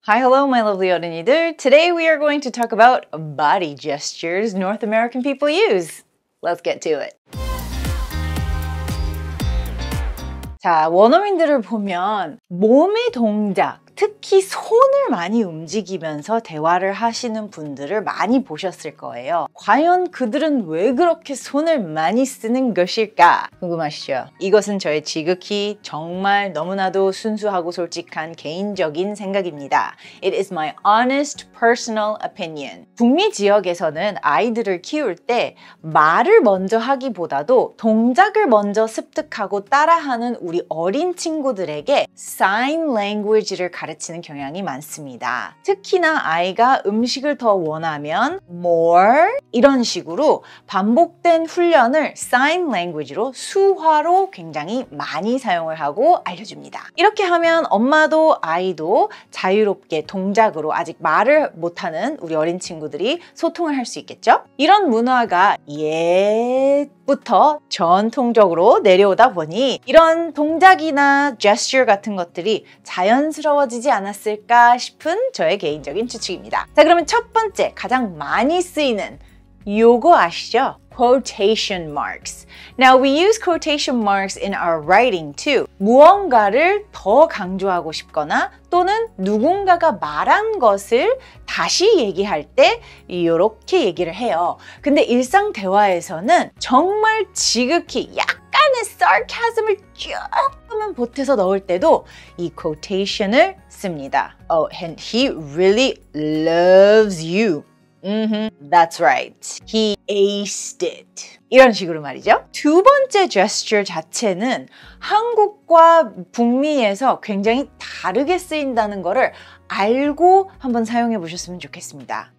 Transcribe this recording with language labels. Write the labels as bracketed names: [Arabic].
[English] Hi, hello, my lovely 어린이들. Today we are going to talk about body gestures North American people use. Let's get to it. [Korean] 자, 원어민들을 보면 몸의 동작, 특히 손을 많이 움직이면서 대화를 하시는 분들을 많이 보셨을 거예요. 과연 그들은 왜 그렇게 손을 많이 쓰는 것일까? 궁금하시죠? 이것은 저의 지극히 정말 너무나도 순수하고 솔직한 개인적인 생각입니다. [English] It is my honest personal opinion. [Korean] 북미 지역에서는 아이들을 키울 때 말을 먼저 하기보다도 동작을 먼저 습득하고 따라하는 우리 어린 친구들에게 sign language를 가르치는 경향이 많습니다. 특히나 아이가 음식을 더 원하면 more 이런 식으로 반복된 훈련을 sign language로 수화로 굉장히 많이 사용을 하고 알려줍니다. 이렇게 하면 엄마도 아이도 자유롭게 동작으로 아직 말을 못하는 우리 어린 친구들이 소통을 할 수 있겠죠? 이런 문화가 옛부터 전통적으로 내려오다 보니 이런 동작이나 gesture 같은 것들이 자연스러워 지지 않았을까 싶은 저의 개인적인 추측입니다. 자, 그러면 첫 번째 가장 많이 쓰이는 요거 아시죠? [English] Quotation marks. Now we use quotation marks in our writing too. [Korean] 무언가를 더 강조하고 싶거나 또는 누군가가 말한 것을 다시 얘기할 때 이렇게 얘기를 해요. 근데 일상 대화에서는 정말 지극히 약간의 sarcasm을 쭉 보태서 넣을 때도 이 quotation을 씁니다. [English] Oh, and he really loves you. Mm-hmm. That's right. He aced it. 이런 식으로 말이죠. [Korean] 두 번째 gesture 자체는 한국과 북미에서 굉장히 다르게 쓰인다는 거를 알고 한번 사용해 보셨으면 좋겠습니다.